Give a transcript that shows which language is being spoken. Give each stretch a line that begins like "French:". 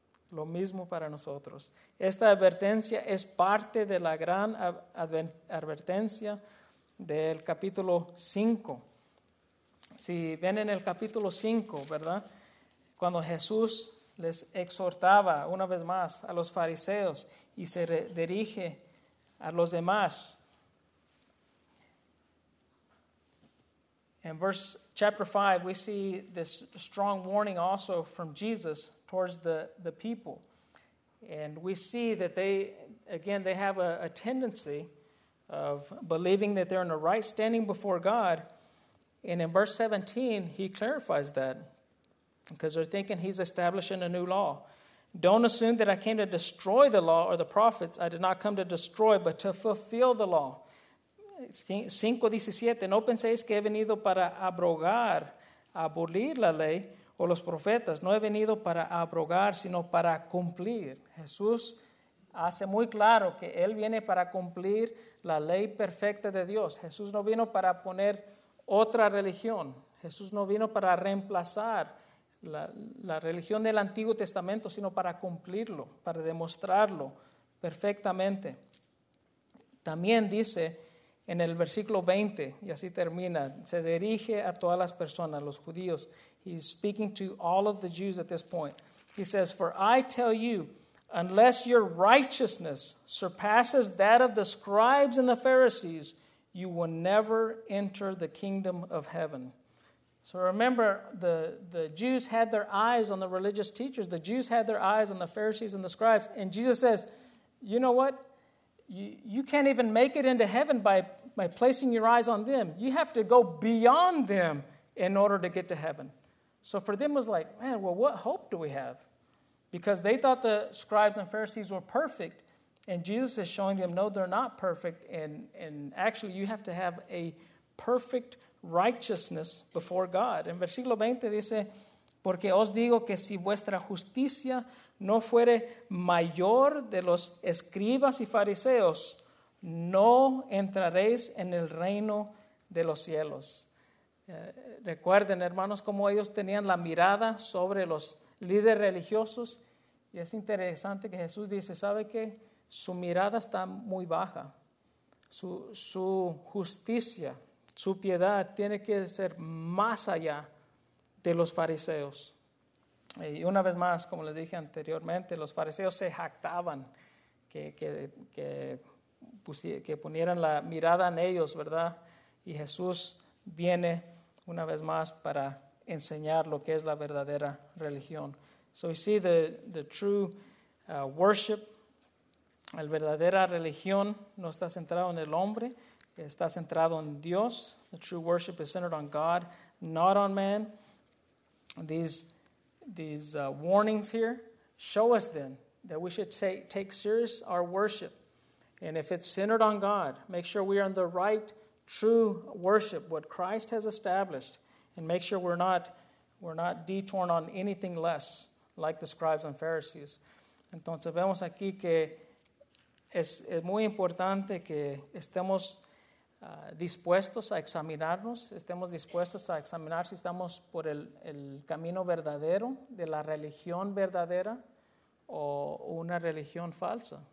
Spanish: Lo mismo para nosotros. Esta advertencia es parte de la gran advertencia del capítulo 5. Si ven en el capítulo 5, ¿verdad? Cuando Jesús les exhortaba una vez más a los fariseos y se dirige a los demás,
English: In verse chapter 5, we see this strong warning also from Jesus towards the people. And we see that they, again, they have a tendency of believing that they're in the right standing before God. And in verse 17, he clarifies that because they're thinking he's establishing a new law. Don't assume that I came to destroy the law or the prophets. I did not come to destroy, but to fulfill the law. 5:17, no penséis que he venido para abrogar, abolir la ley o los profetas. No he venido para abrogar, sino para cumplir. Jesús hace muy claro que él viene para cumplir la ley perfecta de Dios. Jesús no vino para poner otra religión. Jesús no vino para reemplazar la religión del Antiguo Testamento, sino para cumplirlo, para demostrarlo perfectamente. También dice en el versículo 20, y así termina, se dirige a todas las personas, los judíos. He's speaking to all of the Jews at this point. He says, for I tell you, unless your righteousness surpasses that of the scribes and the Pharisees, you will never enter the kingdom of heaven. So remember, the Jews had their eyes on the religious teachers. The Jews had their eyes on the Pharisees and the scribes. And Jesus says, you know what? You can't even make it into heaven by placing your eyes on them. You have to go beyond them in order to get to heaven. So for them, it was like, man, well, what hope do we have? Because they thought the scribes and Pharisees were perfect. And Jesus is showing them, no, they're not perfect. And actually, you have to have a perfect righteousness before God.
Spanish: En versículo 20 dice, porque os digo que si vuestra justicia no fuere mayor de los escribas y fariseos, no entraréis en el reino de los cielos. Recuerden, hermanos, cómo ellos tenían la mirada sobre los líderes religiosos. Y es interesante que Jesús dice, ¿sabe qué? Su mirada está muy baja. Su justicia, su piedad tiene que ser más allá de los fariseos. Y una vez más, como les dije anteriormente, los fariseos se jactaban que ponieran la mirada en ellos, ¿verdad? Y Jesús viene una vez más para enseñar lo que es la verdadera religión.
English: So you see the true worship,
Spanish: la verdadera religión no está centrada en el hombre, está centrado en Dios.
English: The true worship is centered on God, not on man. These warnings here show us then that we should take serious our worship. And if it's centered on God, make sure we are in the right true worship, what Christ has established, and make sure we're not detoured on anything less like the scribes and Pharisees.
Spanish: Entonces vemos aquí que es muy importante que estemos dispuestos a examinarnos, estemos dispuestos a examinar si estamos por el camino verdadero de la religión verdadera o una religión falsa.